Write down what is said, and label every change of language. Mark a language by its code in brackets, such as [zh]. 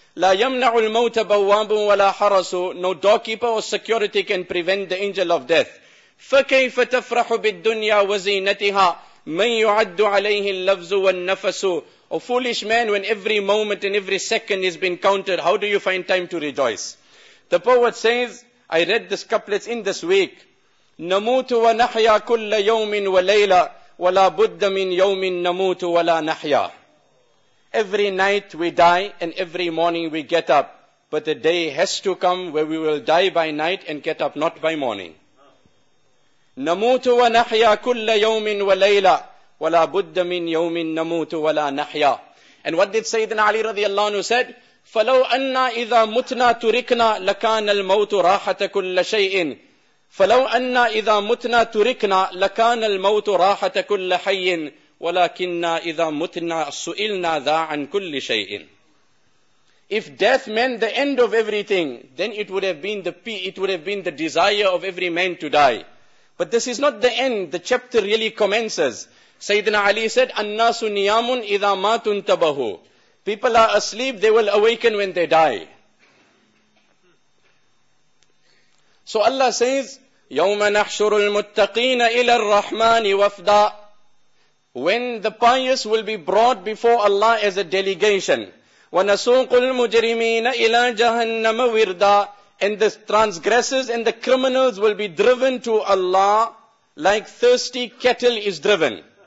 [ar] لَا يَمْنَعُ الْمَوْتَ بَوَّابٌ وَلَا حَرَسُ. [en] No doorkeeper or security can prevent the angel of death. [ar] فَكَيْفَ تَفْرَحُ بِالدُّنْيَا وَزِينَتِهَا مَنْ يُعَدُّ عَلَيْهِ اللَّفْزُ وَالنَّفَسُ. [en] O foolish man, when every moment and every second has been counted, how do you find time to rejoice? The poet says, I read this couplet in this week, [ar] نَمُوتُ وَنَحْيَا كُلَّ يَوْمٍ وَلَيْلَ وَلَا بُدَّ مِنْ يَوْمٍ نَمُوتُ وَلَا نَحْيَا. [en] Every night we die and every morning we get up. But the day has to come where we will die by night and get up not by morning. [ar] نَمُوتُ وَنَحْيَا كُلَّ يَوْمٍ وَلَيْلًا وَلَا بُدَّ مِنْ يَوْمٍ نَمُوتُ وَلَا نَحْيَا. [en] And what did Sayyidina Ali radiallahu anhu said? [ar] فَلَوْ أَنَّا إِذَا مُتْنَا تُرِكْنَا لَكَانَ الْمَوْتُ رَاحَةَ كُلَّ شَيْءٍ فَلَوْ أَنَّا إِذَا مُتْنَا تُرِكْنَا لَكَانَ الْمَوْتُ رَاحَةَ كُلَّ حَيٍّ وَلَكِنَّا إِذَا مُتْنَا سُئِلْنَا ذَا عَنْ كُلِّ شَيْءٍ. [en] If death meant the end of everything, then it would have been the desire of every man to die. But this is not the end, the chapter really commences. Sayyidina Ali said, [ar] أَنَّاسُ نِيَامٌ إِذَا مَا تُنْتَبَهُ. [en] People are asleep, they will awaken when they die. So Allah says, [ar] يَوْمَ نَحْشُرُ الْمُتَّقِينَ إِلَى الرَّحْمَانِ وَفْدًا. [en] When the pious will be brought before Allah as a delegation. [ar] وَنَسُوقُ الْمُجْرِمِينَ إِلَى جَهَنَّمَ وِرْدًا. [en] And the transgressors and the criminals will be driven to Allah like thirsty cattle is driven.